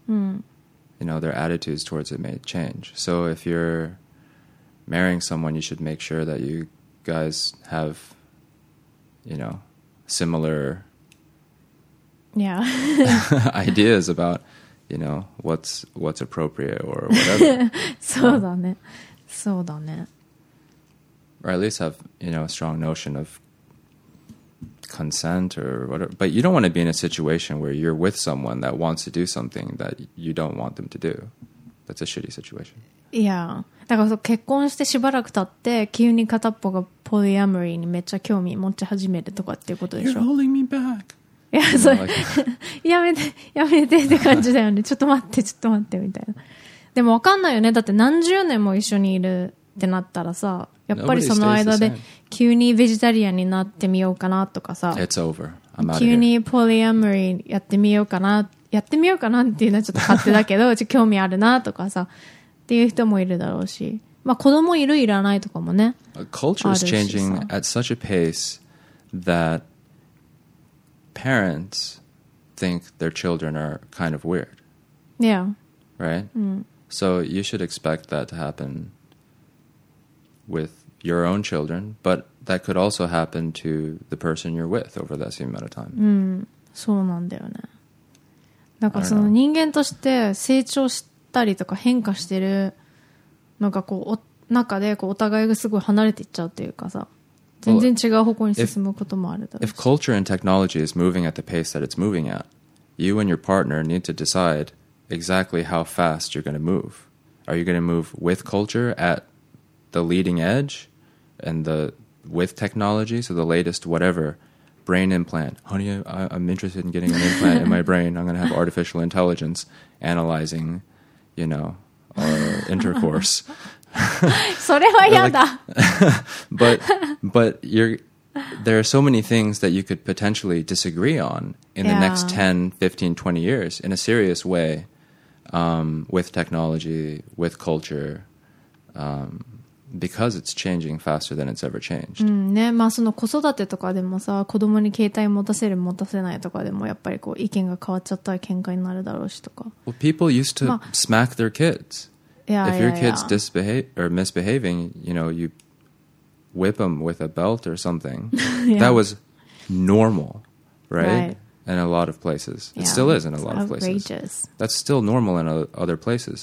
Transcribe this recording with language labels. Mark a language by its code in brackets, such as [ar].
[en] You know, their attitudes towards it may change. So if you're marrying someone, you should make sure that you guys have, you know, similar ideas about, you know, what's appropriate or whatever. [ja] そうだね。そうだね。 [en] Or at least have, you know, a strong notion of consent or whatever, but you don't want to be in a situation where you're with someone that wants to do something that you don't want them to do. That's a shitty situation. Yeah. [ja] だからそう、結婚してしばらく経って急に片っぽがポリアモリーにめっちゃ興味持ち始めるとかっていうことでしょ。 [en] You're holding me back. [ja] いや、そう、like、やめてやめてって感じだよね。ちょっと待ってちょっと待ってみたいな。でもわかんないよね。だって何十年も一緒にいるってなったらさ、やっぱりその間で急にベジタリアンになってみようかなとかさ、 [en] It's over. I'm out of here. [ja] 急にポリアモリーやってみようかな、やってみようかなっていうのはちょっと勝手だけど、ちょっと興味あるなとかさ、っていう人もいるだろうし、まあ子供いるいらないとかもね。 [en] Culture is changing at such a pace that parents think their children are kind of weird. Yeah. Right? So you should expect that to happen. With your own children, but that could also happen to the person you're with over that same amount of time. [ja] うん、そうなんだよね。なんかその人間として成長したりとか変化してるなんかこう中でこうお互いがすごい離れていっちゃうっていうかさ、全然違う方向に進むこともあるだろう [en] し。If culture and technology is moving at the pace that it's moving at, you and your partner need to decide exactly how fast you're going to move. Are you going to move with culture at the leading edge and the with technology, so the latest whatever brain implant? Honey, I'm interested in getting an implant in my brain. I'm going to have artificial intelligence analyzing, you know, our intercourse. [ja] それは嫌だ。 [en] But you're, there are so many things that you could potentially disagree on in the next 10, 15, 20 years in a serious way, with technology, with culture, because it's changing faster than it's ever changed. [ja] うんね、まあその子育てとかでもさ、子供に携帯持たせる持たせないとかでもやっぱりこう意見が変わっちゃったら喧嘩になるだろうしとか。 [en] Well, people used to smack their kids. Yeah, if your kid's disbehave or misbehaving, you know, you whip them with a belt or something. That was normal, right? In a lot of places. It still is in a lot of places. Outrageous. That's still normal in other places.